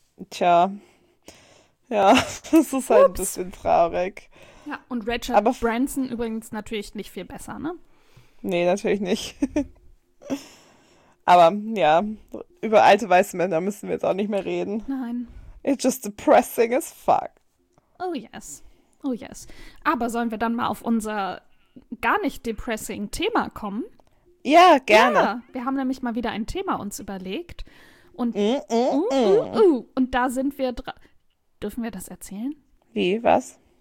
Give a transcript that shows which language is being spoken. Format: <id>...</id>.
<de>Tja, ja, das ist halt ein Ups. bisschen traurig. Ja, und Richard Aber Branson übrigens natürlich nicht viel besser, ne? nee, natürlich nicht. Aber ja, über alte weiße Männer müssen wir jetzt auch nicht mehr reden. Nein.</de> <en>It's just depressing as fuck. Oh yes. Oh yes.</en> <de>Aber sollen wir dann mal auf unser gar nicht depressing Thema kommen? Ja, gerne. Ja, wir haben nämlich mal wieder ein Thema uns überlegt. Und Mm-mm-mm. und da sind wir dran. Dürfen wir das erzählen? Wie, was?</de>